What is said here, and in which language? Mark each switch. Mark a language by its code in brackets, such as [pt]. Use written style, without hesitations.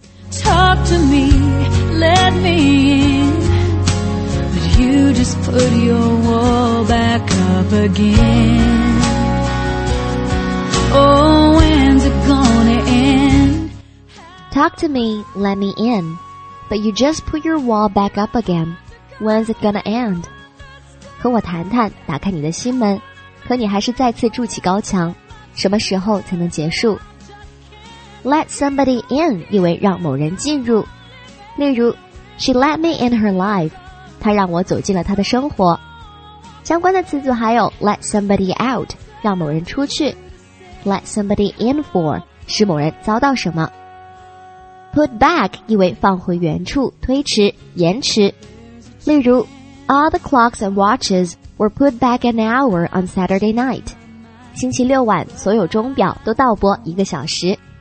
[en] Talk to me, let me in, but you just put your wall back up again. Oh, when's it gonna end? Talk to me, let me in, but you just put your wall back up again. When's it gonna end? [zh] 和我谈谈，打开你的心门，可你还是再次筑起高墙，什么时候才能结束？ Let somebody in 意为让某人进入，例如 [en] She let me in her life， [zh] 她让我走进了她的生活。相关的词组还有 Let somebody out， 让某人出去， Let somebody in for， 使某人遭到什么。 [en] Put back [zh] 意为放回原处、推迟、延迟，例如 [en] All the clocks and watches were put back an hour on Saturday night. [zh] 星期六晚所有钟表都倒拨一个小时。